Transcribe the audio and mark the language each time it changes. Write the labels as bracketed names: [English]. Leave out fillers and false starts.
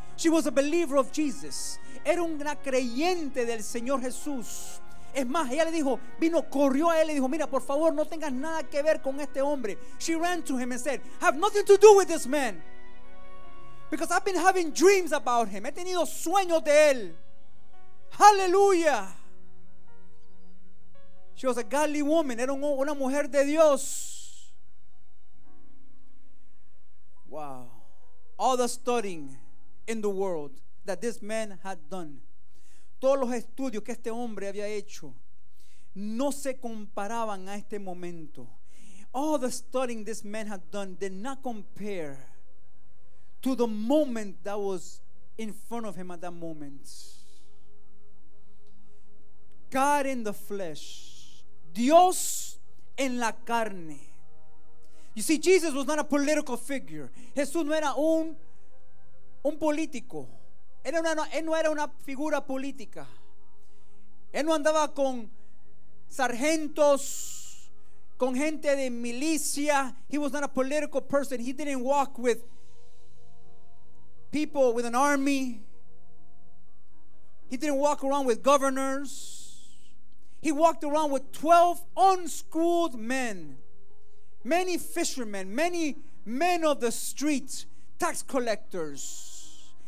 [English] She was a believer of Jesus. [Spanish] Era una creyente del Señor Jesús. Es más, ella le dijo, vino, corrió a él y dijo, mira, por favor, no tengas nada que ver con este hombre. [English] She ran to him and said, have nothing to do with this man, because I've been having dreams about him. [Spanish] He tenido sueños de él. Hallelujah. [English] She was a godly woman. [Spanish] Era una mujer de Dios. Wow. [English] All the studying in the world that this man had done. [Spanish] Todos los estudios que este hombre había hecho no se comparaban a este momento. [English] All the studying this man had done did not compare to the moment that was in front of him at that moment. God in the flesh. [Spanish] Dios en la carne. [English] You see, Jesus was not a political figure. [Spanish] Jesús no era un político. Él no era una figura política. Él no andaba con sargentos, con gente de milicia. [English] He was not a political person. He didn't walk with people with an army. He didn't walk around with governors. He walked around with 12 unschooled men, many fishermen, many men of the streets, tax collectors.